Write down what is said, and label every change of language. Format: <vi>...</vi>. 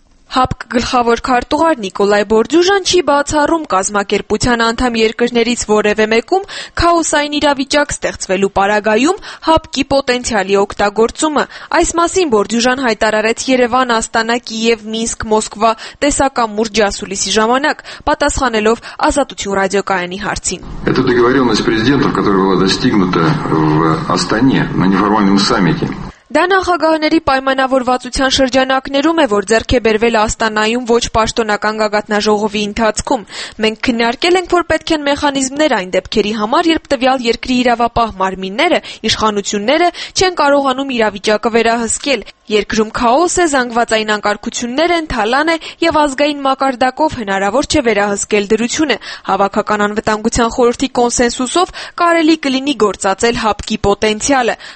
<hy>ՀԱՊԿ գլխավոր քարտուղար Նիկոլայ Բորդյուժան չի բացառում կազմակերպության անդամ երկրներից որևէ մեկում քաոսային իրավիճակ ստեղծվելու պարագայում ՀԱՊԿ-ի պոտենցիալի օգտագործումը։ Այս մասին Բորդյուժան հայտարարեց Երևան, Աստանա, Կիև, Մինսկ, Մոսկվա տեսական մուրջ ասուլիսի ժամանակ, պատասխանելով Ազատություն ռադիոկայանի հարցին։</hy> <ru>Эта договорённость президентов, которая была достигнута в Астане на неформальном саммите,</ru> <hy>դա նախագահների պայմանավորվածության շրջանակներում է, որ ձեռք է բերվել Աստանայում ոչ պաշտոնական գագաթնաժողովի ընթացքում։ Մենք քննարկել ենք, որ պետք են մեխանիզմներ այն դեպքերի համար, երբ տվյալ երկրի իրավապահ մարմինները, իշխանությունները չեն կարողանում իրավիճակը վերահսկել։ Երկրում քաոս է, զանգվածային անկարգություններ են, թալան է եւ ազգային մակարդակով հնարավոր չէ վերահսկել դրությունը։ Հավաքական անվտանգության խորհրդի կոնսենսուսով կարելի կլինի գործածել ՀԱՊԿ-ի պոտենցիալը,</hy>